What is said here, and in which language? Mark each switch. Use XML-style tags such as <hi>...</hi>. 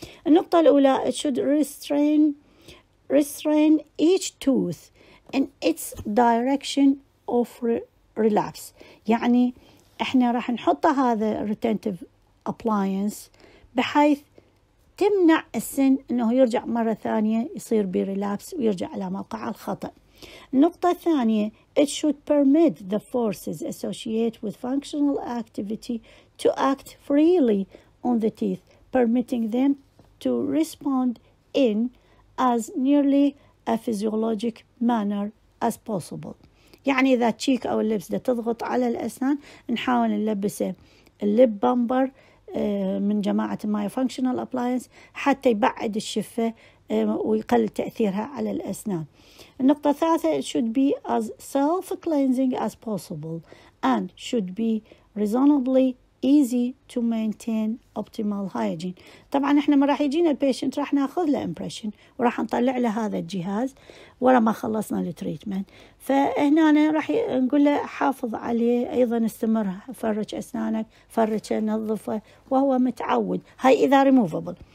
<ar>النقطة الأولى</ar> <en>it should restrain each tooth in its direction of relapse</en> <ar>يعني احنا راح نحط هذا retentive appliance بحيث تمنع السن انه يرجع مرة ثانية يصير بي relapse ويرجع على موقع الخطأ. النقطة الثانية</ar> <en>it should permit the forces associated with functional activity to act freely on the teeth permitting them to respond in as nearly a physiologic manner as possible.</en> <ar>يعني إذا تشيك أو اللبس ده تضغط على الأسنان نحاول نلبسه الليب بامبر من جماعة ماي فانكشنال أبلاينس حتى يبعد الشفة ويقلل تأثيرها على الأسنان. النقطة الثالثة</ar> <en>it should be as self-cleansing as possible and should be reasonably easy to maintain optimal hygiene.</en> <ar>طبعا احنا ما راح يجينا البيشنت راح ناخذ له امبريشن وراح نطلع له هذا الجهاز ورا ما خلصنا التريتمنت فهنا انا راح نقول له حافظ عليه ايضا استمر فرج اسنانك فرجه نظفه وهو متعود هاي اذا ريموفبل</ar>